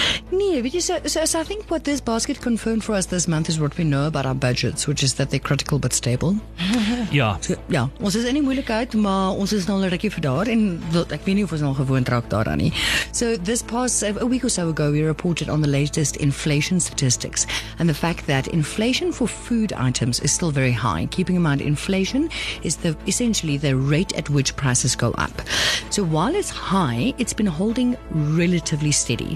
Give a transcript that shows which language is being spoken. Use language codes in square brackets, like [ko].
[en] Nee, but you so I think what this basket confirmed for us this month is what we know about our budgets, which is that they're critical but stable. Yeah. [af] So, ja, ons is in die moeilikheid, maar ons is nou al 'n rukkie vir daar en ek weet nie of ons nou gewoond raak daaraan nie. [en] So this past, a week or so ago, we reported on the latest inflation statistics and the fact that inflation for food items is still very high. Keeping in mind, inflation is the essentially the rate at which prices go up. So while it's high, it's been holding relatively steady.